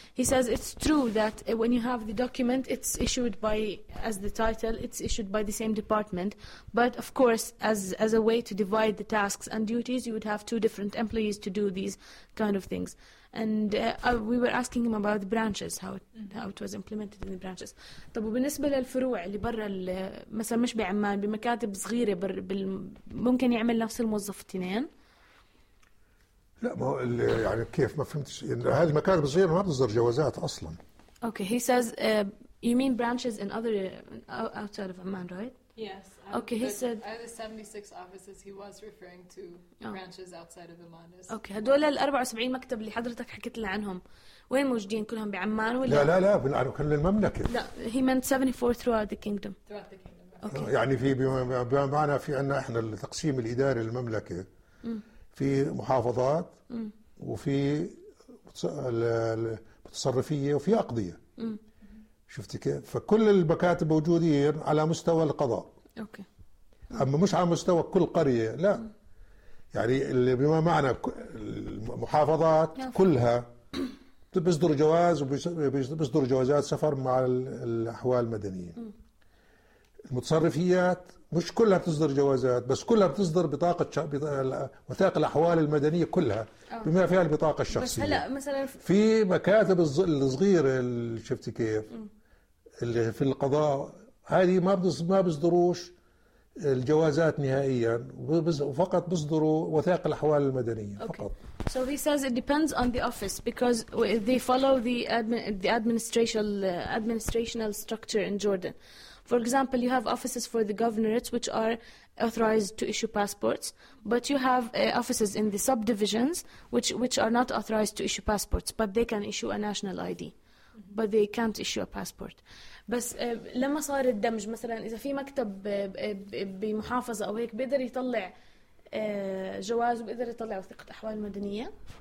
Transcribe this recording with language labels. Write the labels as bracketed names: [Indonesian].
[English] He says it's true that when you have the document, it's issued by as the title. It's issued by the same department, but of course, as a way to divide the tasks and duties, you would have two different employees to do these kind of things. And we were asking him about the branches, how it was implemented in the branches. [Arabic] طب وبالنسبة للفروع اللي برا مثلا مش بعمان بمكاتب صغيرة ممكن يعمل نفس الموظف اثنين؟ لا ما هو يعني كيف ما فهمتش يعني هذه مكاتب صغيرة ما بتصدر جوازات اصلا. [English] Okay, he says you mean branches in other outside of Amman, right? Yeah. Yes. Okay, he said... Out of the 76 offices, he was referring to branches outside of Amman. [Arabic] Okay, هدول ال 74 مكتب اللي حضرتك حكيت لي عنهم وين موجودين كلهم بعمان ولا لا لا لا بنعرف كل المملكة لا [English] he meant 74 throughout the kingdom [Arabic] يعني في بمعنى في عنا احنا التقسيم الإداري للمملكة في محافظات وفي المتصرفية وفي أقضية شفتي كيف فكل المكاتب موجودين على مستوى القضاء اوكي اما مش على مستوى كل قرية لا يعني اللي بما معنى المحافظات كلها بيصدر جواز وبيصدر جوازات سفر مع الأحوال المدنية المتصرفيات مش كلها بتصدر جوازات بس كلها بتصدر بطاقة وثائق الأحوال المدنية كلها بما فيها البطاقة الشخصية بس هلأ مثلا في مكاتب الصغيرة اللي شفتي كيف اللي في القضاء هذه ما بيصدروش الجوازات نهائيا وفقط بيصدروا وثائق الأحوال المدنية فقط okay. [English] So he says it depends on the office because they follow the administrative structure in Jordan. For example, you have offices for the governorates which are authorized to issue passports, but you have offices in the subdivisions which are not authorized to issue passports, but they can issue a national ID, but they can't issue a passport. [Arabic] بس لما صار الدمج مثلا إذا في مكتب بمحافظة أو هيك بيقدر يطلع جواز وبقدر يطلع وثيقة أحوال مدنية؟